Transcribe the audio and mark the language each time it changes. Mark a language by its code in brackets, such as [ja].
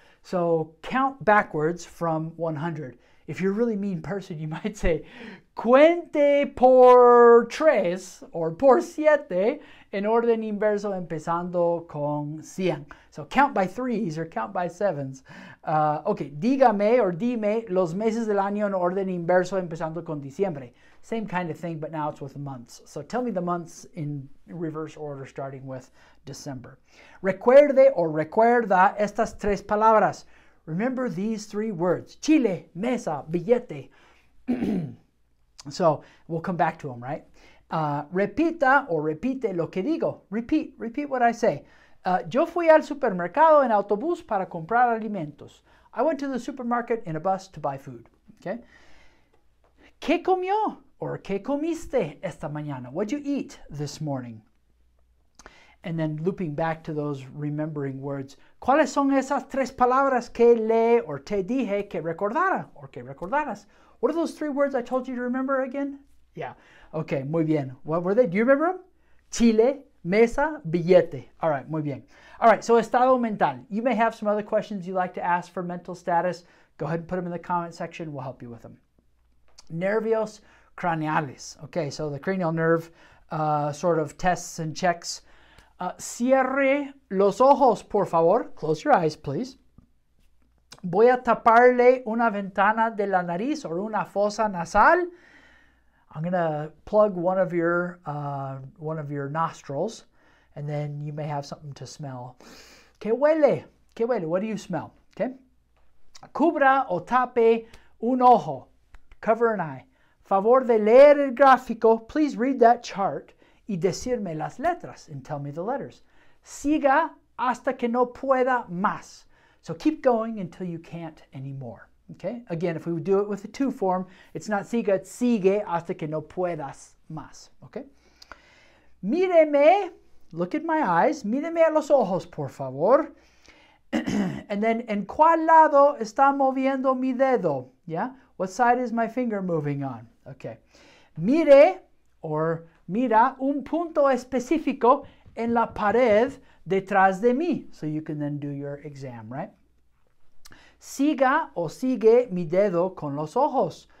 [en] So count backwards from 100. If you're a really mean person, you might say, [es] cuente por tres or por siete en orden inverso empezando con 100. [en] So count by threes or count by sevens. [es] Okay, dígame or dime los meses del año en orden inverso empezando con diciembre. [en] Same kind of thing, but now it's with months. So tell me the months in reverse order starting with December. [es] Recuerde or recuerda estas tres palabras. [en] Remember these three words. [es] Chile, mesa, billete. [en] So we'll come back to them, right? [es] Repita or repite lo que digo. [en] Repeat what I say. [es] Yo fui al supermercado en autobús para comprar alimentos. [en] I went to the supermarket in a bus to buy food. Okay. [es] ¿Qué comió or qué comiste esta mañana? [en] What'd you eat this morning? And then looping back to those remembering words. [es] ¿Cuáles son esas tres palabras que le or te dije que recordara or que recordaras? [en] What are those three words I told you to remember again? Yeah. Okay, muy bien. What were they? Do you remember them? [es] Chile, mesa, billete. [en] All right, muy bien. All right, so estado mental. You may have some other questions you'd like to ask for mental status. Go ahead and put them in the comment section. We'll help you with them. Nervios craneales. Okay, so the cranial nerve sort of tests and checks. [es] Cierre los ojos, por favor. [en] Close your eyes, please. [es] Voy a taparle una ventana de la nariz or una fosa nasal. [en] I'm going to plug one of your nostrils, and then you may have something to smell. [es] ¿Qué huele? ¿Qué huele? [en] What do you smell? Okay. [es] Cubra o tape un ojo. [en] Cover an eye. [es] Favor de leer el gráfico. [en] Please read that chart [es] y decirme las letras [en] and tell me the letters. [es] Siga hasta que no pueda más. [en] So keep going until you can't anymore. Okay? Again, if we would do it with a two form, it's not siga, it's [es] sigue hasta que no puedas más. [en] Okay? [es] Míreme, [en] look at my eyes. [es] Míreme a los ojos, por favor. [en] And then, [es] ¿en cuál lado está moviendo mi dedo? Yeah? [en] What side is my finger moving on? Okay. [es] Mire or mira un punto específico en la pared detrás de mí. [en] So you can then do your exam, right? [es] Siga o sigue mi dedo con los ojos.